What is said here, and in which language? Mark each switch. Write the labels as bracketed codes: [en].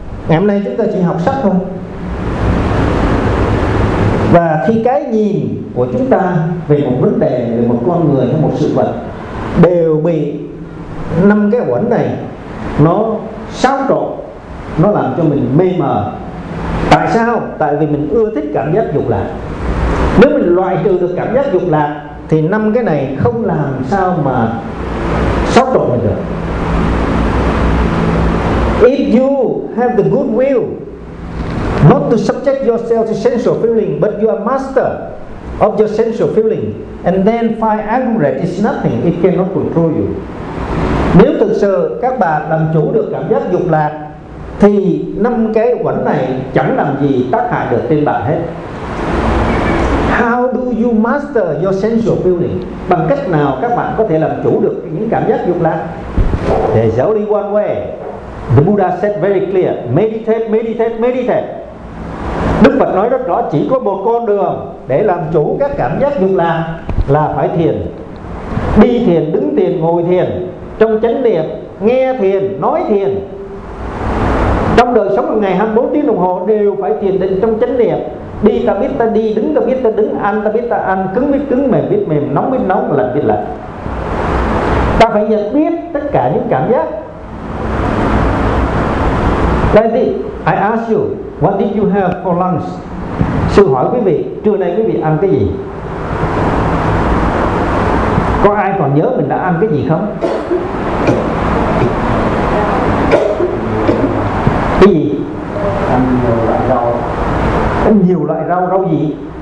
[vi] Ngày hôm nay chúng ta chỉ học sắc thôi, và khi cái nhìn của chúng ta về một vấn đề, về một con người hay một sự vật đều bị năm cái uẩn này nó xáo trộn, nó làm cho mình mê mờ. Tại sao? Tại vì mình ưa thích cảm giác dục lạc. Nếu mình loại trừ được cảm giác dục lạc thì năm cái này không làm sao mà xáo trộn mình được. [en] If you have the good will not to subject yourself to sensual feeling, but you are master of your sensual feeling, and then find aggregate is nothing, it cannot control you. [vi] Nếu thực sự các bạn làm chủ được cảm giác dục lạc thì năm cái uẩn này chẳng làm gì tác hại được trên bạn hết. [en] How do you master your sensual feeling? [vi] Bằng cách nào các bạn có thể làm chủ được những cảm giác dục lạc? [en] There's only one way. The Buddha said very clear, meditate, meditate, meditate. [vi] Đức Phật nói rất rõ, chỉ có một con đường để làm chủ các cảm giác dục lạc là phải thiền. Đi thiền, đứng thiền, ngồi thiền, trong chánh niệm, nghe thiền, nói thiền. Trong đời sống một ngày 24 tiếng đồng hồ đều phải thiền định trong chánh niệm. Đi ta biết ta đi, đứng ta biết ta đứng, ăn ta biết ta ăn, cứng biết cứng, mềm biết mềm, nóng biết nóng, lạnh biết lạnh. Ta phải nhận biết tất cả những cảm giác. [en] Daddy, I ask you, what did you have for lunch? [vi] Sư hỏi quý vị, trưa nay quý vị ăn cái gì? Có ai còn nhớ mình đã ăn cái gì không? Cái gì? Ăn nhiều loại rau. Ăn nhiều loại rau, rau gì?